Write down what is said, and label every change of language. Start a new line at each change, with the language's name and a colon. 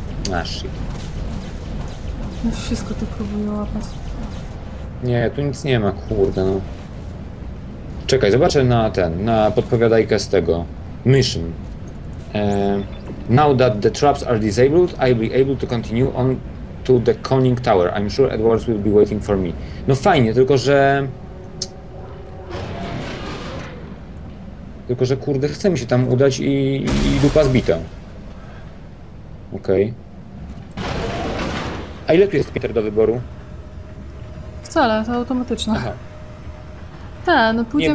Polish: Naszy. No wszystko tu próbuję łapać. Nie, tu nic nie ma, kurde, no. Czekaj, zobaczę na ten, na podpowiadajkę z tego. Mission.
English: Now that the traps are disabled, I'll be able to continue on to the Conning Tower. I'm sure Edwards will be waiting for me.
Polish: No fajnie, tylko że kurde, chce mi się tam udać i dupa zbita. Okej. Okay. A ile tu jest Peter do wyboru? Wcale, to automatyczne. Aha. Tak, no pójdziemy,